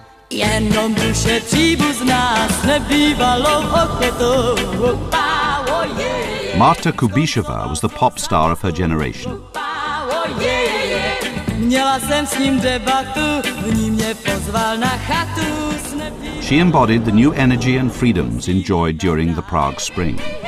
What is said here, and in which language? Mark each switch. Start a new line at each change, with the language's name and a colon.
Czech: Jenom duše příbuzná s nebývalou ochotou.
English: Marta Kubíšová was the pop star of her generation.
Czech: Měla jsem s ním debatu, v ní mě pozval na chatu.
English: She embodied the new energy and freedoms enjoyed during the Prague Spring.